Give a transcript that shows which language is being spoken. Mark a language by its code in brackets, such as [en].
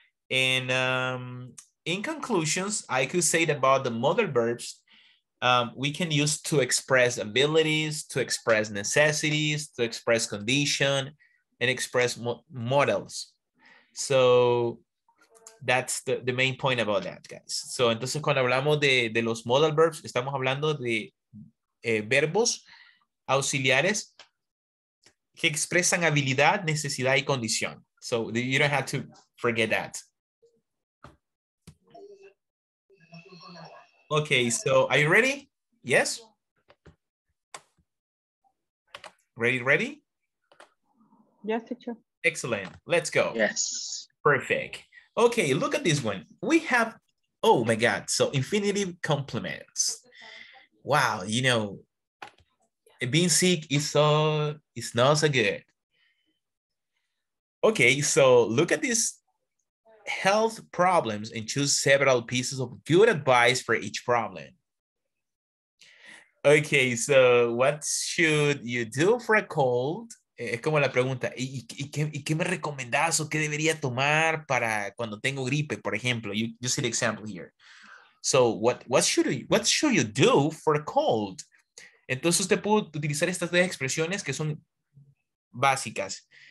[en] And in conclusions, I could say that about the modal verbs, we can use to express abilities, to express necessities, to express condition, and express models. So that's the main point about that, guys. [es] So entonces cuando hablamos de los modal verbs, estamos hablando de verbos auxiliares que expresan habilidad, necesidad y condición. [en] So you don't have to forget that. Okay, so are you ready? Yes? Ready? Yes, teacher. Excellent, let's go. Yes. Perfect. Okay, look at this one. We have, oh my God, so infinitive complements. Wow, you know, being sick is so, it's not so good. Okay, so look at this. Health problems and choose several pieces of good advice for each problem. Okay, so what should you do for a cold? [es] Es como la pregunta, ¿y qué me recomendás o qué debería tomar para cuando tengo gripe, por ejemplo? [en] You see the example here. So what should you do for a cold? [es] Entonces usted puede utilizar estas tres expresiones que son básicas.